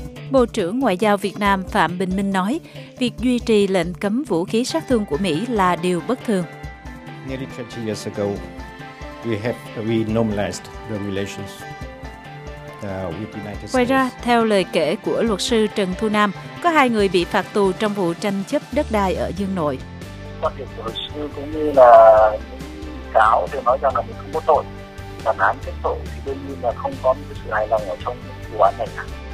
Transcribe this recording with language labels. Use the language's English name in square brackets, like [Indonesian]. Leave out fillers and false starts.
[Vietnamese] Bộ trưởng Ngoại giao Việt Nam Phạm Bình Minh nói, việc duy trì lệnh cấm vũ khí sát thương của Mỹ là điều bất thường. [English] Nearly 20 years ago, we normalized the relations with the United States. [Vietnamese] Ngoài ra, theo lời kể của luật sư Trần Thu Nam, có hai người bị phạt tù trong vụ tranh chấp đất đai ở Dương Nội. Quan điểm của luật sư cũng như là cáo đều nói rằng là mình không có tội. Bản án kết tội thì đương nhiên là không có một sự hài lòng ở trong vụ án này cả.